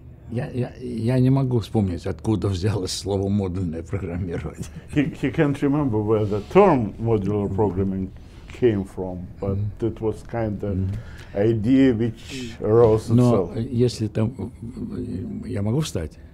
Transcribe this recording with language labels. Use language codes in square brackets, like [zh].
[ru] Я не могу вспомнить, откуда взялось слово модульное программирование. [en] He can't remember where the term modular programming came from, but it was kind of idea which arose [ru] Но [en] itself. [ru] Но если там я могу встать.